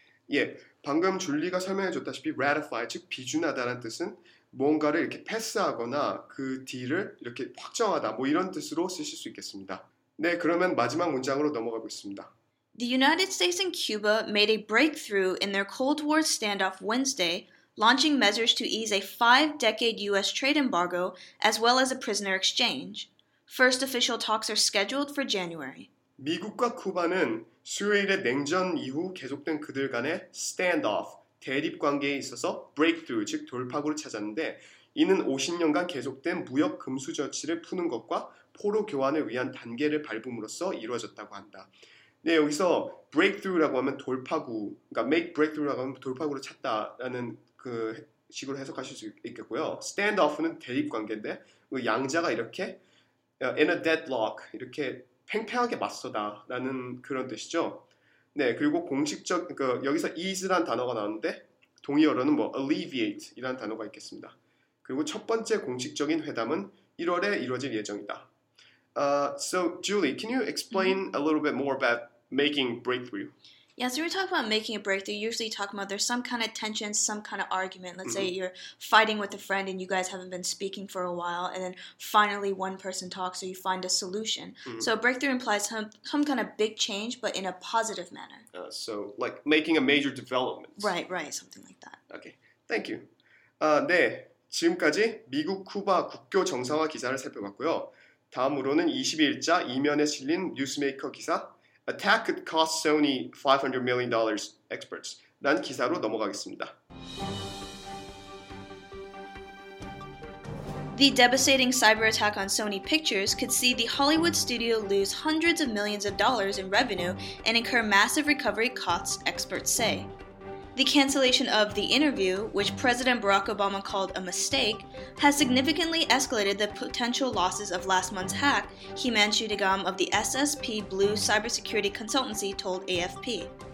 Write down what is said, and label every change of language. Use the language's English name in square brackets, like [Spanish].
[Korean] 예, 방금 줄리가 설명해 줬다시피 ratify, 즉 비준하다라는 뜻은 뭔가를 이렇게 패스하거나 그 딜을 이렇게 확정하다 뭐 이런 뜻으로 쓰실 수 있겠습니다. 네, 그러면 마지막 문장으로 넘어가 보겠습니다. [English] The United States and Cuba made a breakthrough in their Cold War standoff Wednesday, launching measures to ease a five-decade U.S. trade embargo as well as a prisoner exchange. First official talks are scheduled for January. [Korean] 미국과 쿠바는 수요일에 냉전 이후 계속된 그들 간의 standoff, 대립 관계에 있어서 breakthrough, 즉 돌파구를 찾았는데 이는 50년간 계속된 무역 금수 조치를 푸는 것과 포로 교환을 위한 단계를 밟음으로써 이루어졌다고 한다. 네, 여기서 breakthrough라고 하면 돌파구, 그러니까 make breakthrough라고 하면 돌파구를 찾다라는 그 식으로 해석하실 수 있겠고요. Standoff는 대립 관계인데 양자가 이렇게 in a deadlock 이렇게 팽팽하게 맞서다라는 그런 뜻이죠. 네, 그리고 공식적 그 여기서 ease란 단어가 나오는데 동의어로는 뭐 alleviate이라는 단어가 있겠습니다. 그리고 첫 번째 공식적인 회담은 1월에 이루어질 예정이다. [English] So Julie, can you explain a little bit more about making breakthrough? Yeah, so when we talk about making a breakthrough, usually talk about there's some kind of tension, some kind of argument. Let's say you're fighting with a friend and you guys haven't been speaking for a while, and then finally one person talks, so you find a solution. Mm-hmm. So a breakthrough implies some kind of big change, but in a positive manner. So like making a major development. Right, something like that. Okay, thank you. [Korean] 네, 지금까지 미국 쿠바 국교 정상화 기사를 살펴봤고요. [English] 다음으로는 22일자 이면에 실린 뉴스메이커 기사 Attack could cost Sony $500 million, experts. [Korean] 난 기사로 넘어가겠습니다. [English] The devastating cyber attack on Sony Pictures could see the Hollywood studio lose hundreds of millions of dollars in revenue and incur massive recovery costs, experts say. The cancellation of The Interview, which President Barack Obama called a mistake, has significantly escalated the potential losses of last month's hack, Himanshu Degam of the SSP Blue cybersecurity consultancy told AFP.